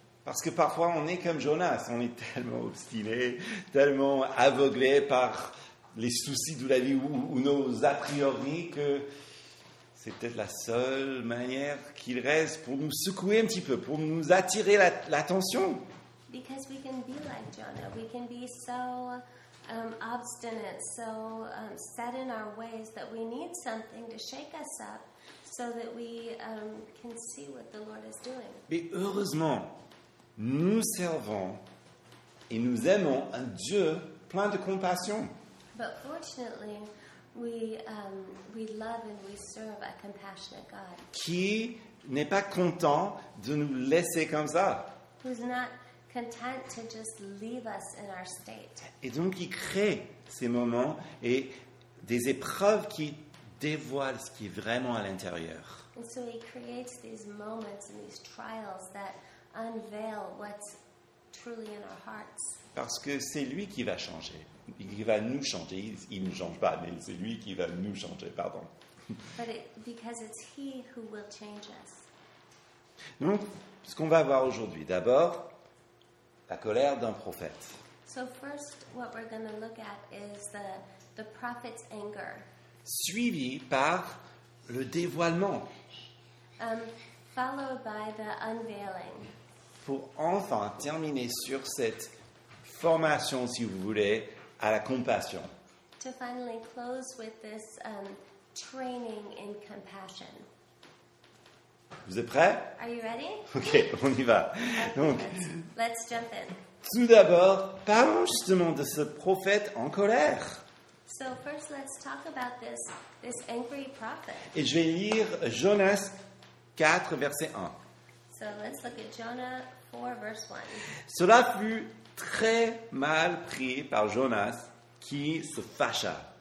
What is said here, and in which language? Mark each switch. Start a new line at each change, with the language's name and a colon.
French: Parce que parfois on est comme Jonas, on est tellement obstiné, tellement aveuglé par les soucis de la vie ou nos a priori que c'est peut-être la seule manière qu'il reste pour nous secouer un petit peu, pour nous attirer l'attention.
English: Because we can be like Jonah, we can be so obstinate, so set in our ways that we need something to shake us up so that we can see what the Lord is doing.
French: Mais heureusement, nous servons et nous aimons un Dieu plein de compassion.
English: But fortunately, we love and we serve a compassionate God.
French: Qui n'est pas content de nous laisser comme ça.
English: Who's not content to just leave us in our state.
French: Et donc, il crée ces moments et des épreuves qui dévoilent ce qui est vraiment à l'intérieur.
English: And so he creates these moments and these trials that unveil what's truly in our hearts.
French: Parce que c'est lui qui va changer. Il va nous changer. Il ne change pas, mais c'est lui qui va nous changer, pardon.
English: But because it's he who will change us.
French: Donc, ce qu'on va voir aujourd'hui, d'abord, la colère d'un prophète.
English: So first, what we're going to look at is the prophet's anger.
French: Suivi par le dévoilement.
English: Followed by the unveiling.
French: Pour enfin terminer sur cette formation, si vous voulez, à la compassion.
English: To finally close with this training in compassion.
French: Vous êtes prêts?
English: Are you ready?
French: Ok, on y va. Donc,
English: let's jump in.
French: Tout d'abord, parlons justement de ce prophète en colère.
English: So first, let's talk about this angry prophet.
French: Et je vais lire Jonas 4, verset 1.
English: So let's look at Jonah 4, verse 1.
French: Cela fut très mal pris par Jonas qui se fâcha.